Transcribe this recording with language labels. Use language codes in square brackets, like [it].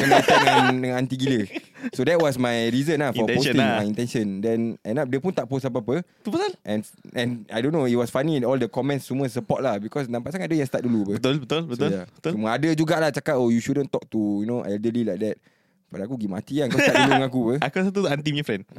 [ms] Kena attack dengan auntie gila. [en] So that was my reason for posting. My intention. Then end up, [ms] dia pun tak post apa-apa. Tu pasal? [en] And I don't know, it was funny. All the comments [ms] semua support lah. Because nampak sangat ada yang start dulu. Betul. Cuma ada jugalah cakap, [en] oh you shouldn't talk to you know elderly like that. [ms] Pada aku pergi mati kan. Kau tak tolong aku ke? Aku satu anti punya friend.